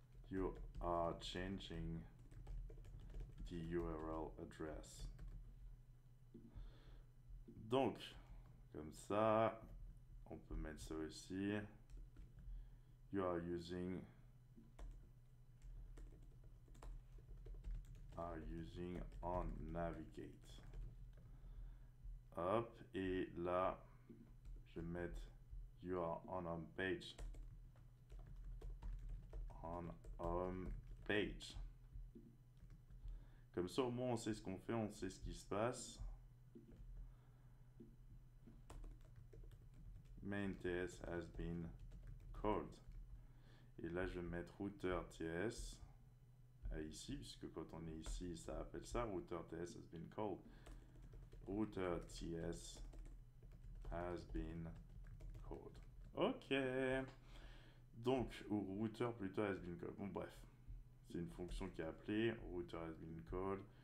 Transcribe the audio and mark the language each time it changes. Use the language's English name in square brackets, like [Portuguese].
[English] You are changing the URL address. [French] Donc, comme ça, on peut mettre ça aussi. [English] You are using. Are using on navigate. [French] Hop, et là, je vais mettre. [English] You are on home page. On home page. [French] Comme ça, au moins, on sait ce qu'on fait, on sait ce qui se passe. [English] Main TS has been called. [French] Et là, je vais mettre router TS ici, puisque quand on est ici, ça appelle ça [English] router TS has been called. Router TS has been called. [French] Ok, donc router plutôt [English] has been called. [French] Bon, bref, c'est une fonction qui est appelée [English] router has been called.